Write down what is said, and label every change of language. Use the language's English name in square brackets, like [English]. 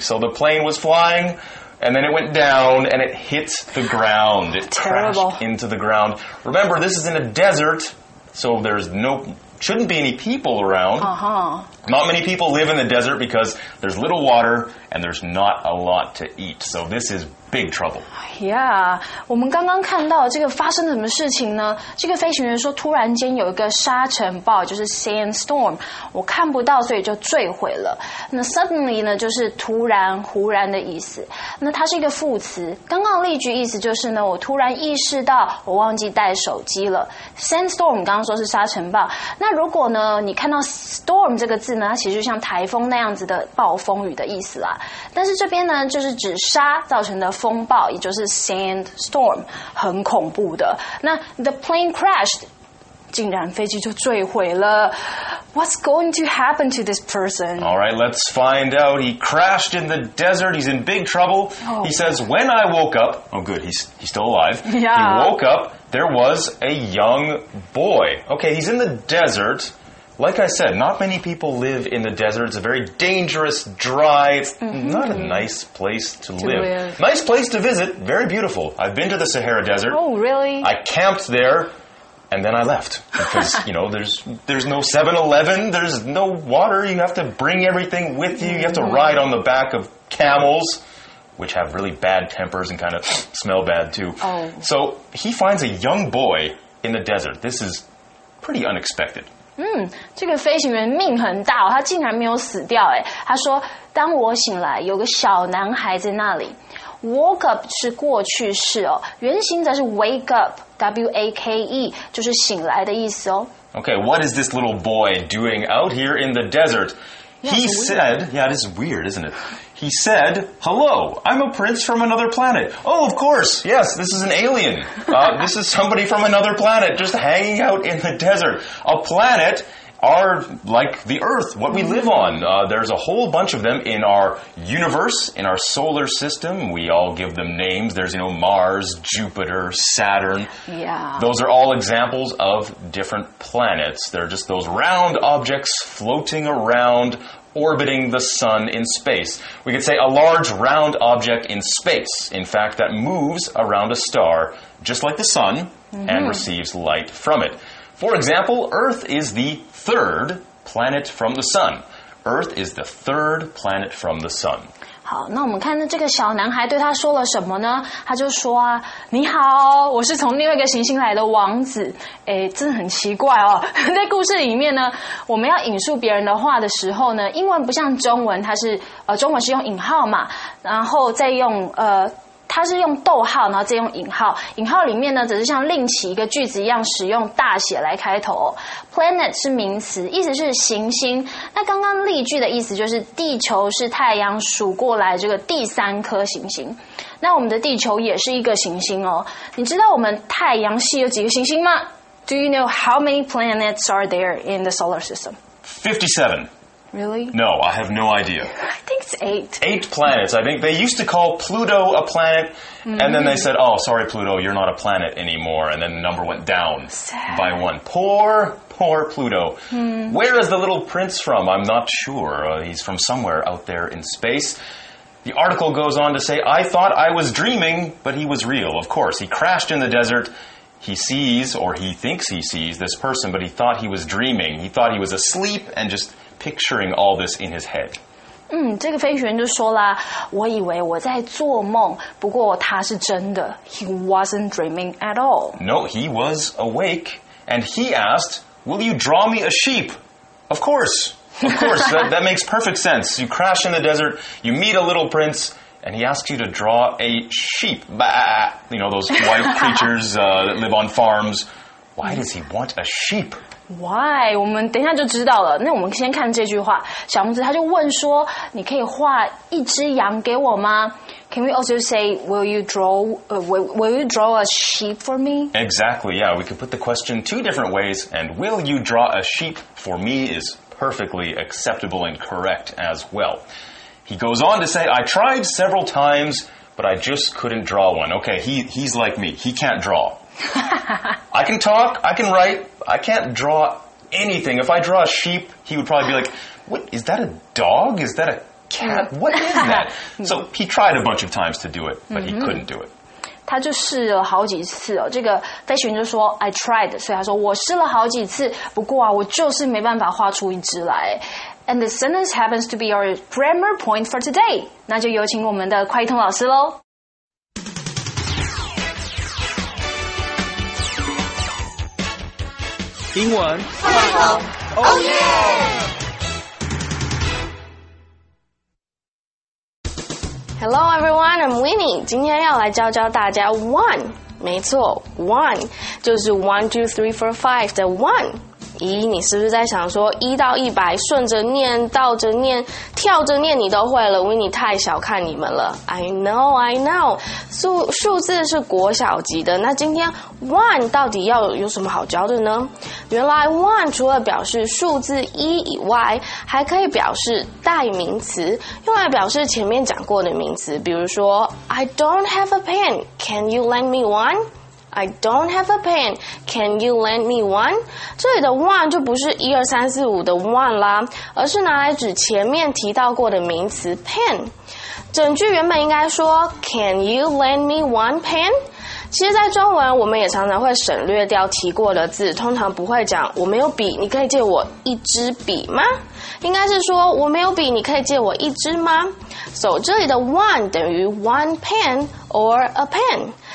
[English] So the plane was flying, and then it went down, and it hit the ground. It crashed into the ground. Remember, this is in a desert, so there's no... Shouldn't be any people around. Not many people live in the desert because there's little water and there's not a lot to eat. So this is big trouble. Yeah. [Chinese] 我们刚刚看到这个发生什么事情呢？这个飞行员说突然间有一个沙尘暴，就是 sandstorm. 我看不到，所以就坠毁了。那 suddenly 呢，就是突然、忽然的意思。那它是一个副词。刚刚例句意思就是呢，我突然意识到我忘记带手机了。 Sandstorm 刚刚说是沙尘暴。那如果呢，你看到 storm 这个字呢，它其实就像台风那样子的暴风雨的意思啦。但是这边呢，就是指沙造成的风暴，也就是 sandstorm， 很恐怖的。那 [English] the plane crashed， [Chinese] 竟然飞机就坠毁了。 [English] What's going to happen to this person? All right, let's find out. He crashed in the desert. He's in big trouble. He says, "When I woke up," oh good, he's still alive. Yeah. He woke up. There was a young boy. Okay, he's in the desert. Like I said, not many people live in the desert. It's a very dangerous, dry, not a nice place to live. Nice place to visit, very beautiful. I've been to the Sahara Desert. Oh, really? I camped there, and then I left. Because, you know, there's no 7-Eleven, there's no water. You have to bring everything with you. You have to ride on the back of camels, which have really bad tempers and kind of smell bad, too. Oh. So he finds a young boy in the desert. This is pretty unexpected. [Chinese] 这个飞行员命很大、哦、他竟然没有死掉诶。他说当我醒来有个小男孩在那里。 Woke up 是过去式哦。原型则是 wake up, W-A-K-E, 就是醒来的意思哦。 [English] Okay, what is this little boy doing out here in the desert? He said, yeah, this is weird, isn't it? He said, hello, I'm a prince from another planet. Oh, of course, yes, this is an alien. This is somebody from another planet just hanging out in the desert. A planet are like the Earth, what we live on. There's a whole bunch of them in our universe, in our solar system. We all give them names. There's, you know, Mars, Jupiter, Saturn. Yeah. Those are all examples of different planets. They're just those round objects floating around, orbiting the sun in space. We could say a large round object in space, in fact, that moves around a star just like the sun and receives light from it. For example, Earth is the third planet from the sun. Earth is the third planet from the sun. [Chinese] 好，那我们看这个小男孩对他说了什么呢？他就说啊，你好，我是从另外一个行星来的王子。哎，真的很奇怪哦。在故事里面呢，我们要引述别人的话的时候呢，英文不像中文，它是中文是用引号嘛，然后再用它是用逗号，然后再用引号。引号里面呢，则是像另起一个句子一样，使用大写来开头、哦。 Planet 是名词，意思是行星。那刚刚例句的意思就是，地球是太阳数过来这个第三颗行星。那我们的地球也是一个行星哦。你知道我们太阳系有几个行星吗 [English] ？Do you know how many planets are there in the solar system? 57. Really? No, I have no idea. I think it's eight. Eight planets. I think they used to call Pluto a planet, and then they said, oh, sorry, Pluto, you're not a planet anymore, and then the number went down by one. Poor, poor Pluto. Where is the little prince from? I'm not sure. He's from somewhere out there in space. The article goes on to say, I thought I was dreaming, but he was real. Of course, he crashed in the desert. He sees, or he thinks he sees, this person, but he thought he was dreaming. He thought he was asleep and just... picturing all this in his head. [Chinese] 这个飞行员就说啦，我以为我在做梦，不过他是真的。 [English] He wasn't dreaming at all. No, he was awake, and he asked, "Will you draw me a sheep?" Of course, that makes perfect sense. You crash in the desert, you meet a little prince. And he asks you to draw a sheep. Bah! You know, those white creatures that live on farms. Why does he want a sheep? Why? [Chinese] 我们等一下就知道了。那我们先看这句话。小拇指他就问说，你可以画一只羊给我吗？ [English] Can we also say, will you draw a sheep for me? Exactly, yeah. We could put the question two different ways. And will you draw a sheep for me is perfectly acceptable and correct as well. He goes on to say, I tried several times, but I just couldn't draw one. Okay, he's like me. He can't draw. I can talk. I can write. I can't draw anything. If I draw a sheep, he would probably be like, what, is that a dog? Is that a cat? What is that? So he tried a bunch of times to do it, but he couldn't do it. [Chinese] 他就试了好几次哦，这个飞行员就说 [English] I tried， [Chinese] 所以他说我试了好几次，不过啊，我就是没办法画出一只来。 [English] And the sentence happens to be our grammar point for today， [Chinese] 那就有请我们的快译通老师喽。英文快译通 [English] ，Oh yeah！ Hello everyone, I'm Winnie. [Chinese] 今天要来教教大家 one. 没错 ,one. 就是 [English] one, two, three, four, five [Chinese] 的 one. 咦，你是不是在想说一到一百顺着念倒着念跳着念你都会了 ,Winnie 太小看你们了。 [English] I know. [Chinese] 数字是国小级的，那今天 one 到底要有什么好教的呢？原来 one 除了表示数字一以外，还可以表示代名词，用来表示前面讲过的名词，比如说 [English] I don't have a pen, can you lend me one? I don't have a pen. Can you lend me one? [Chinese] 这里的 one 就不是12345的 one 啦，而是拿来指前面提到过的名词 pen。整句原本应该说 [English] Can you lend me one pen? [Chinese] 其实在中文我们也常常会省略掉提过的字，通常不会讲我没有笔，你可以借我一支笔吗？应该是说我没有笔，你可以借我一支吗？ [English] So [Chinese] 这里的 [English] one [Chinese] 等于 [English] one pen or a pen。